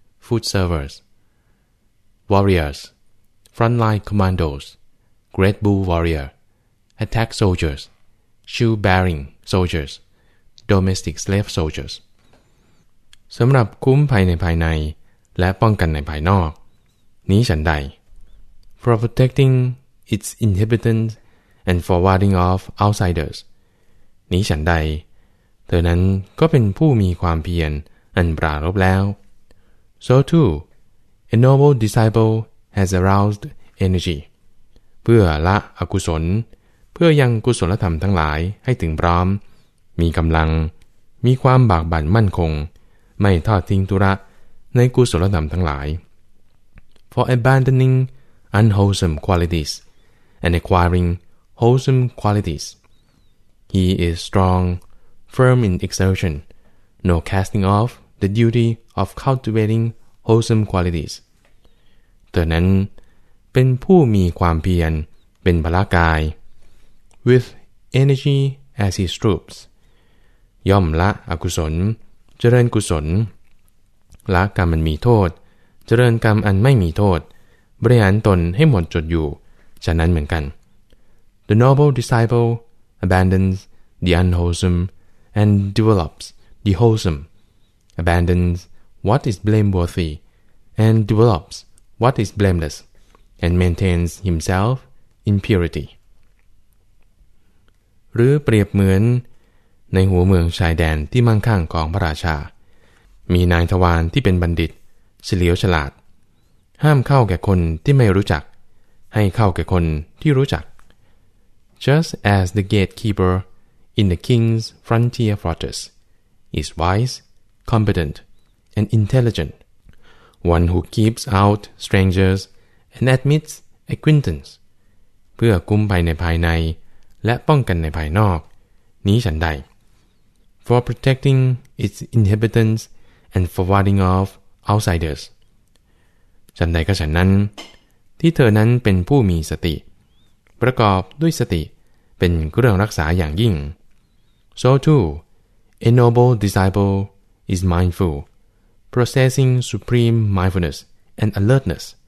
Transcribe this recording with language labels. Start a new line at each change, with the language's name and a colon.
English: food servers, warriors, frontline commandos, great bull warrior, attack soldiers, shoe bearing soldiers, domestic slave soldiers.
Thai: สำหรับคุ้มภัยในภายในและป้องกันในภายนอกนี้ฉันใด
English: For protecting its inhabitants and for warding off outsiders
Thai: นี้ฉันใดเธอนั้นก็เป็นผู้มีความเพียรอันปรารภแล้ว
English: So too a noble disciple has aroused energy
Thai: เพื่อละอกุศลเพื่อยังกุศลธรรมทั้งหลายให้ถึงพร้อมมีกำลังมีความบากบั่นมั่นคงไม่ทอดทิ้งธุระในกุศลธรรมทั้งหลาย
English: For abandoning unwholesome qualities and acquiring wholesome qualities He is strong, firm in exertion, no casting off the duty of cultivating wholesome qualities
Thai: เธอนั้นเป็นผู้มีความเพียรเป็นพละกาย
English: With energy as his troops
Thai: ย่อมละอกุศลเจริญกุศลละกรรมมันมีโทษเจริญกรรมอันไม่มีโทษบริหารตนให้หมดจดอยู่ฉะนั้นเหมือนกัน
English: The noble disciple abandons the unwholesome and develops the wholesome abandons what is blameworthy and develops what is blameless and maintains himself in purity
Thai: หรือเปรียบเหมือนในหัวเมืองชายแดนที่มั่งคั่งของพระราชามีนายทวารที่เป็นบัณฑิตเฉลียวฉลาดห้ามเข้าแก่คนที่ไม่รู้จักให้เข้าแก่คนที่รู้จัก
English: Just as the gatekeeper in the king's frontier fortress is wise, competent, and intelligent, one who keeps out strangers and admits acquaintance
Thai: เพื่อคุ้มภัยในภายในและป้องกันในภายนอกนี้ฉันใด
English: For protecting its inhabitants and for warding off outsiders
Thai: ฉันใดก็ฉันนั้นที่เธอนั้นเป็นผู้มีสติประกอบด้วยสติเป็นเครื่องรักษาอย่างยิ่ง
English: So too a noble disciple is mindful possessing supreme mindfulness and alertness